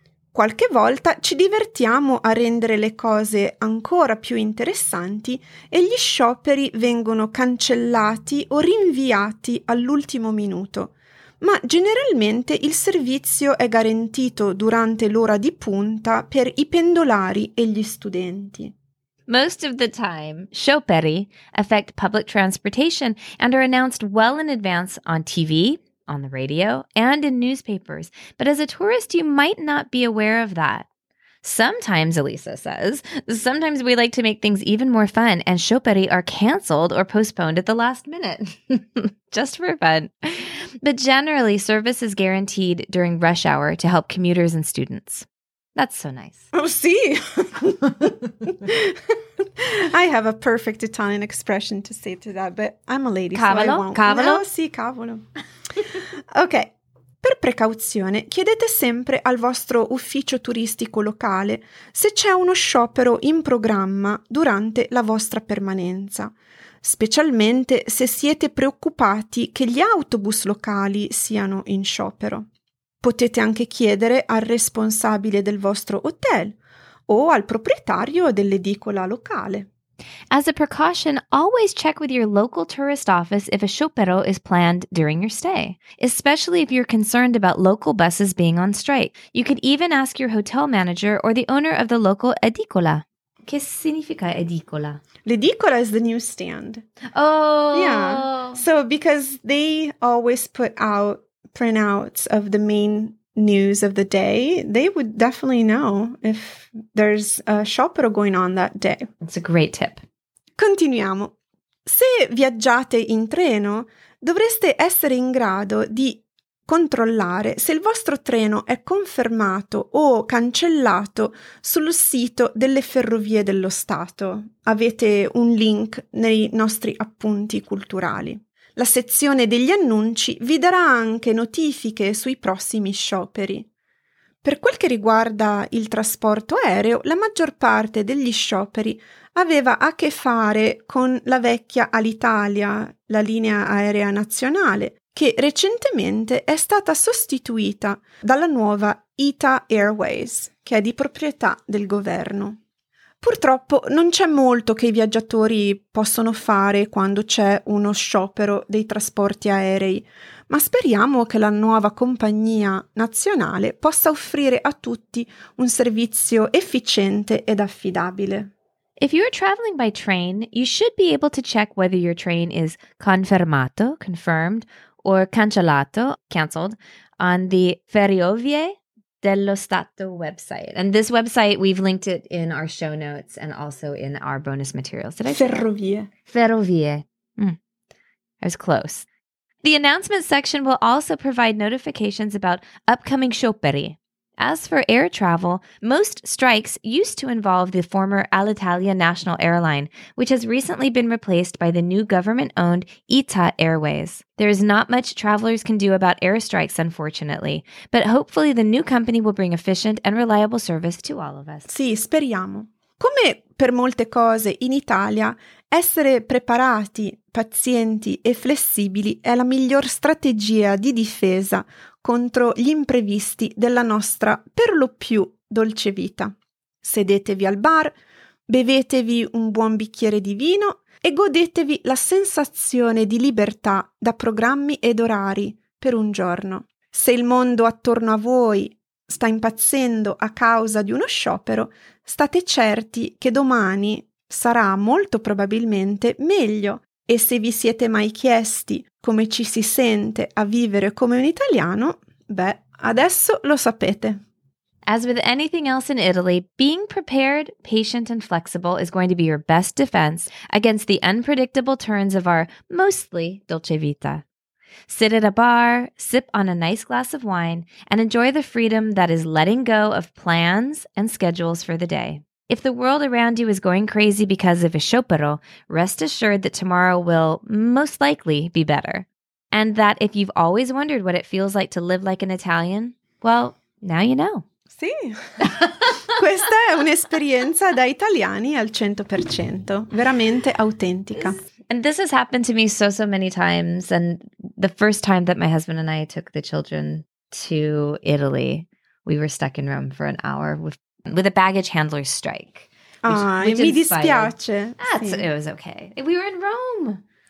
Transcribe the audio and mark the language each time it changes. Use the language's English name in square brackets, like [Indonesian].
[Italian] Qualche volta ci divertiamo a rendere le cose ancora più interessanti e gli scioperi vengono cancellati o rinviati all'ultimo minuto. Ma generalmente il servizio è garantito durante l'ora di punta per i pendolari e gli studenti. [English] Most of the time, scioperi affect public transportation and are announced well in advance on TV, on the radio, and in newspapers. But as a tourist, you might not be aware of that. Sometimes, Elisa says, sometimes we like to make things even more fun and scioperi are canceled or postponed at the last minute. Just for fun. But generally, service is guaranteed during rush hour to help commuters and students. That's so nice. Oh, see? I have a perfect Italian expression to say to that, but I'm a lady. [Italian] Cavolo? [English] So I won't. [Italian] Cavolo? No, sì, cavolo. Ok. Per precauzione, chiedete sempre al vostro ufficio turistico locale se c'è uno sciopero in programma durante la vostra permanenza, specialmente se siete preoccupati che gli autobus locali siano in sciopero. Potete anche chiedere al responsabile del vostro hotel o al proprietario dell'edicola locale. [English] As a precaution, always check with your local tourist office if a sciopero is planned during your stay, especially if you're concerned about local buses being on strike. You could even ask your hotel manager or the owner of the local edicola. [Italian] Che significa edicola? [English] L'edicola is the newsstand. Oh! Yeah. So, because they always put out printouts of the main news of the day, they would definitely know if there's a sciopero going on that day. It's a great tip. [Italian] Continuiamo. Se viaggiate in treno, dovreste essere in grado di controllare se il vostro treno è confermato o cancellato sul sito delle ferrovie dello Stato. Avete un link nei nostri appunti culturali. La sezione degli annunci vi darà anche notifiche sui prossimi scioperi. Per quel che riguarda il trasporto aereo, la maggior parte degli scioperi aveva a che fare con la vecchia Alitalia, la linea aerea nazionale, che recentemente è stata sostituita dalla nuova ITA Airways, che è di proprietà del governo. Purtroppo non c'è molto che i viaggiatori possono fare quando c'è uno sciopero dei trasporti aerei, ma speriamo che la nuova compagnia nazionale possa offrire a tutti un servizio efficiente ed affidabile. [English] If you are traveling by train, you should be able to check whether your train is confermato, confirmed, or cancellato, cancelled, on the Ferrovie dello Stato website. And this website, we've linked it in our show notes and also in our bonus materials. Did I say [Italian] Ferrovie. [English] Ferrovie. Mm. I was close. The announcement section will also provide notifications about upcoming scioperi. As for air travel, most strikes used to involve the former Alitalia National Airline, which has recently been replaced by the new government-owned ITA Airways. There is not much travelers can do about airstrikes, unfortunately, but hopefully the new company will bring efficient and reliable service to all of us. [Italian] Sì, speriamo. Come per molte cose in Italia, essere preparati, pazienti e flessibili è la miglior strategia di difesa contro gli imprevisti della nostra per lo più dolce vita. Sedetevi al bar, bevetevi un buon bicchiere di vino e godetevi la sensazione di libertà da programmi ed orari per un giorno. Se il mondo attorno a voi sta impazzendo a causa di uno sciopero, state certi che domani sarà molto probabilmente meglio. E se vi siete mai chiesti come ci si sente a vivere come un italiano, beh, adesso lo sapete. [English] As with anything else in Italy, being prepared, patient and flexible is going to be your best defense against the unpredictable turns of our mostly dolce vita. Sit at a bar, sip on a nice glass of wine, and enjoy the freedom that is letting go of plans and schedules for the day. If the world around you is going crazy because of a sciopero, rest assured that tomorrow will most likely be better. And that if you've always wondered what it feels like to live like an Italian, well, now you know. [Italian] Sì. Questa è un'esperienza da italiani al 100%, veramente autentica. [English] And this has happened to me so, so many times. And the first time that my husband and I took the children to Italy, we were stuck in Rome for an hour with a baggage handler strike. [Italian] Ah, mi dispiace. [English] That's, sì. It was okay. We were in Rome.